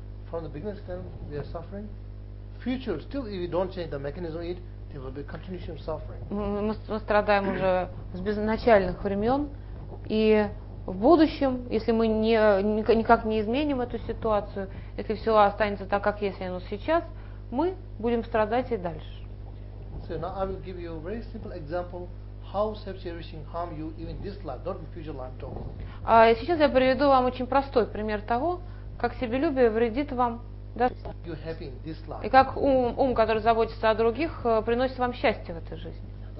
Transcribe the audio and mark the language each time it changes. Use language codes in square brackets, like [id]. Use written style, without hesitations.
[en] From the beginning then we are suffering. Future still if we don't change the mechanism it, there will be continuation suffering. [ru] Мы страдаем уже с безначальных времен, и в будущем, если мы никак не изменим эту ситуацию, если все останется так, как есть оно сейчас, мы будем страдать и дальше. [en] So now I will give you a very simple example how self-cherishing harm you even this life, not in future life too. [ru] А сейчас я приведу вам очень простой пример того, как себелюбие вредит вам, даже и как ум, который заботится о других, приносит вам счастье в этой жизни.